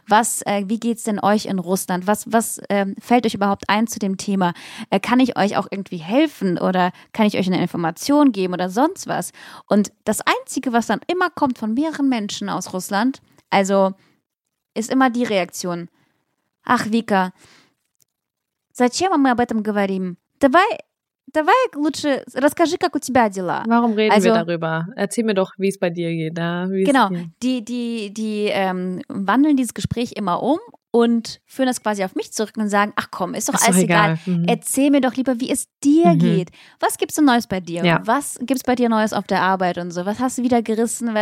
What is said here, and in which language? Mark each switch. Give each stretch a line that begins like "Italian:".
German: Wie geht's denn euch in Russland? Was fällt euch überhaupt ein zu dem Thema? Kann ich euch auch irgendwie helfen oder kann ich euch eine Information geben oder sonst was? Und das Einzige, was dann immer kommt von mehreren Menschen aus Russland, also ist immer die Reaktion.
Russian: Ach, Вика, зачем мы об этом говорим? Давай лучше расскажи, как у тебя дела.
German: Warum reden also, wir darüber? Erzähl mir doch, wie es bei dir geht. Ja? Genau, die wandeln dieses Gespräch immer um und führen das quasi auf mich zurück und sagen, ach komm, ist doch alles egal. Mhm. Erzähl mir doch lieber, wie es dir mhm. geht. Was gibt's denn Neues bei dir? Ja. Was gibt's bei dir Neues auf der Arbeit und so? Was hast du wieder gerissen?